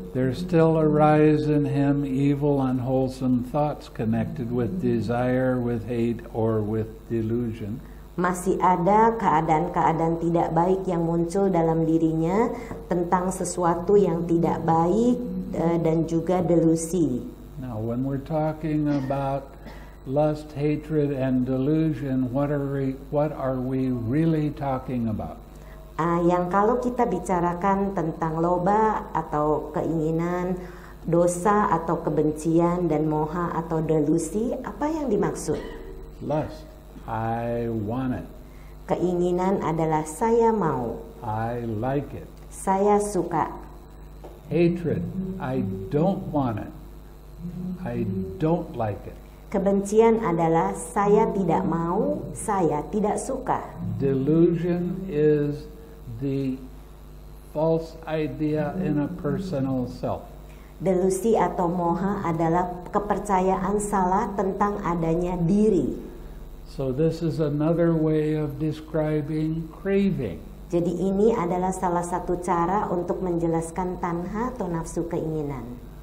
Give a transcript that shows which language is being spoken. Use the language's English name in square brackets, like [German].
[English] there still arise in him evil unwholesome thoughts connected with desire, with hate, or with delusion. [Indonesian] Masih ada keadaan-keadaan tidak baik yang muncul dalam dirinya tentang sesuatu yang tidak baik dan juga delusi. [English] Now, when we're talking about lust, hatred, and delusion, what are we really talking about? [Indonesian] Yang kalau kita bicarakan tentang loba atau keinginan, dosa atau kebencian, dan moha atau delusi, apa yang dimaksud? [English] Lust, I want it. [Indonesian] Keinginan adalah saya mau. [English] I like it. [Indonesian] Saya suka. [English] Hatred, I don't want it. I don't like it. [Indonesian] Kebencian adalah saya tidak mau, saya tidak suka. [English] Delusion is the false idea in a personal self. [Indonesian] Delusi atau moha adalah kepercayaan salah tentang adanya diri. [English] So this is another way of describing craving. [Indonesian] Jadi ini adalah salah satu cara untuk menjelaskan tanha atau nafsu keinginan.